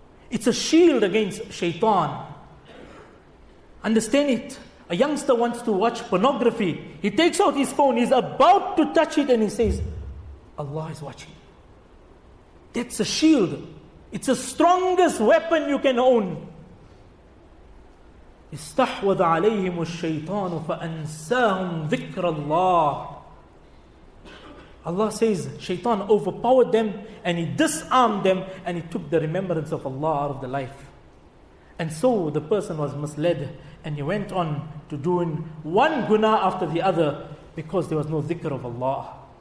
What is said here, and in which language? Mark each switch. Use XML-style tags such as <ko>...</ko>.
<en>It's a shield against shaitan. Understand it. A youngster wants to watch pornography. He takes out his phone, he's about to touch it, and he says, Allah is watching. That's a shield. It's the strongest weapon you can own.</en> <ar>استحوذ عليهم الشيطان فأنساهم ذكر الله.</ar> <en>Allah says, shaitan overpowered them and he disarmed them and he took the remembrance of Allah out of the life. And so the person was misled and he went on to doing one guna after the other because there was no dhikr of Allah.</en>